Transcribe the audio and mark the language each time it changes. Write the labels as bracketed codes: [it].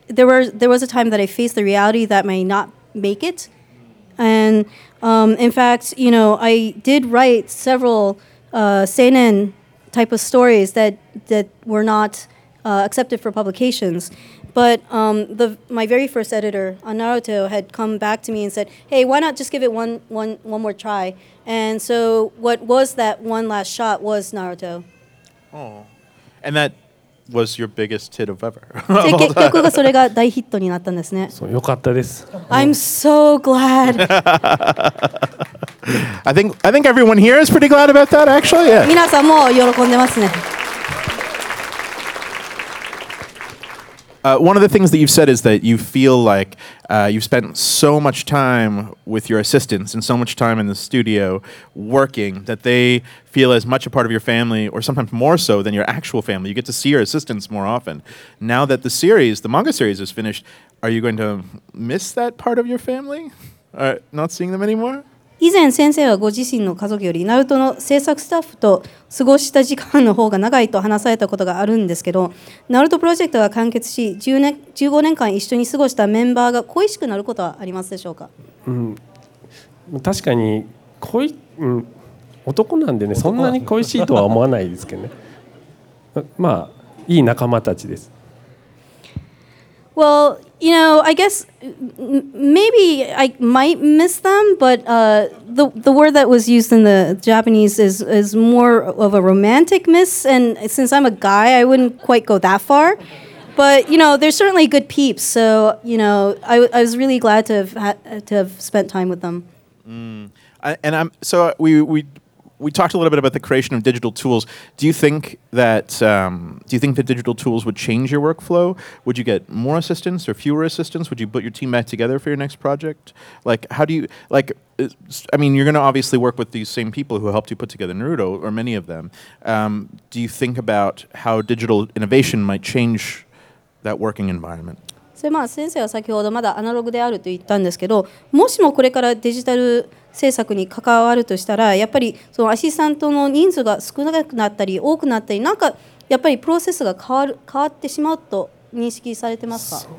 [en] There was a time that I faced the reality that I may not make it, and in fact, you know, I did write several seinen type of stories that were not accepted for publications. But my very first editor on Naruto had come back to me and said, hey, why not just give it one more try? And so what was that one last shot was Naruto. Oh. And that was your biggest hit of ever. [ja] 結局がそれが大ヒットになったんですね。そう、よかったです。 [en] I'm so glad. I think everyone here is pretty glad about that, actually. Yeah. [ja] 皆さんも喜んでますね。 [en] One of the things that you've said is that you feel like you've spent so much time with your assistants and so much time in the studio working that they feel as much a part of your family, or sometimes more so than your actual family. You get to see your assistants more often. Now that the series, the manga series, is finished, are you going to miss that part of your family? Not seeing them anymore? [ja] 以前先生はご自身の家族よりナルトの制作スタッフと過ごした時間の方が長いと話されたことがあるんですけど、ナルトプロジェクトが完結し15年間一緒に過ごしたメンバーが恋しくなることはありますでしょうか？うん、確かに恋、うん、男なんでね、そんなに恋しいとは思わないですけどね。まあいい仲間たちです。 [en] WellYou know, I guess maybe I might miss them, but the word that was used in the Japanese is more of a romantic miss. And since I'm a guy, I wouldn't quite go that far. But, you know, they're certainly good peeps. So, you know, I was really glad to have spent time with them. We talked a little bit about the creation of digital tools. Do you think that the digital tools would change your workflow? Would you get more assistants or fewer assistants? Would you put your team back together for your next project? Like, how do you, like, I mean, you're going to obviously work with these same people who helped you put together Naruto, or many of them. Do you think about how digital innovation might change that working environment? [ja] So, まあ先生は先ほどまだアナログであると言ったんですけど、もしもこれからデジタル制作に関わるとしたら、やっぱりそのアシスタントの人数が少なくなったり多くなったり、なんかやっぱりプロセスが変わってしまうと認識されてますか？